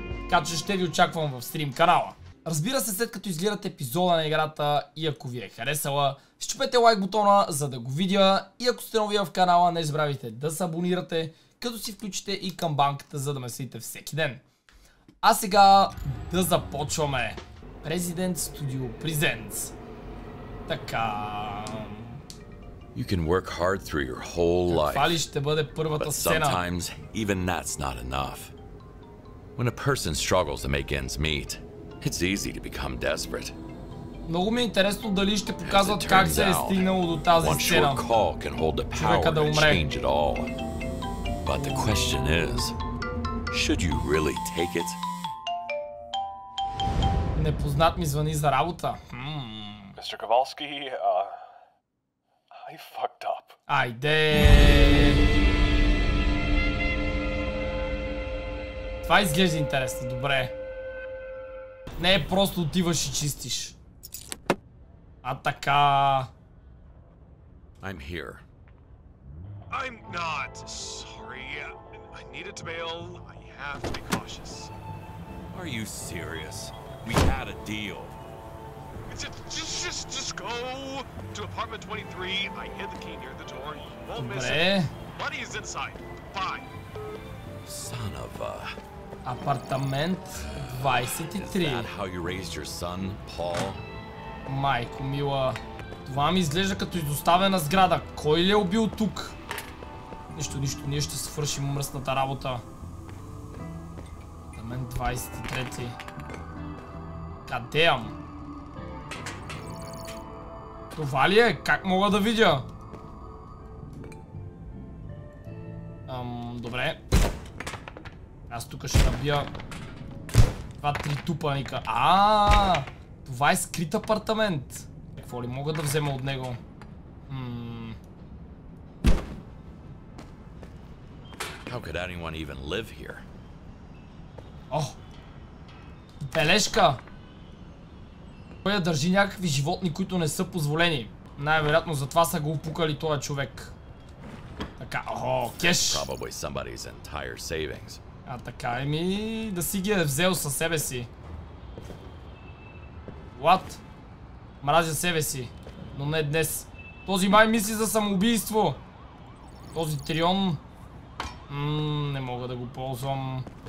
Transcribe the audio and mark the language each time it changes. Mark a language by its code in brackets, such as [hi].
[bg] Така че ще ви очаквам в стрим канала. Разбира се, след като изгледате епизода на играта и ако ви е харесала, счупете лайк бутона, за да го видя, и ако сте нови в канала, не забравяйте да се абонирате, като си включите и камбанката, за да ме следите всеки ден. А сега да започваме. [en] President Studio Presents. [bg] Така... [en] You can work hard through your whole life, but sometimes even that's not enough. When a person struggles to make ends meet, it's easy to become desperate. [bg] Много ми е интересно дали ще показват как се е стигнало до тази сцена. [en] One call can hold the power to change it all. But the question is, should you really take it? [bg] Непознат ми звъни за работа. [en] Mr. Kowalski, I fucked up. [bg] Айде! Това изглежда интересно, добре. Не е просто отиваш и чистиш. А така... [en] I'm here. I'm not. Sorry. I needed to bail. I have to be cautious. Are you serious? We had a deal. Just go to apartment 23. I hid the key near the door. You won't [bg] Добре. [en] Miss it. Money is inside. Fine. Son of a... [bg] Апартамент 23. [en] Is that how you raised your son, Paul? [bg] Майко мила, това ми изглежда като изоставена сграда. Кой ли е убил тук? Нищо, ние ще свършим мръсната работа. Апартамент 23. Кадеям? Това ли е? Как мога да видя? Добре. Аз тук ще набия 2-3 тупаника. Това е скрит апартамент. Какво ли мога да взема от него? [en] How could anyone even live here? [bg] О! Бележка! Той я държи някакви животни, които не са позволени. Най-вероятно затова са го упукали този човек. Така, кеш! Probably somebody's entire savings. А така, еми да си ги е взел със себе си. What? Мразя себе си, но не днес. Този май мисли за самоубийство. Този трион... не мога да го ползвам.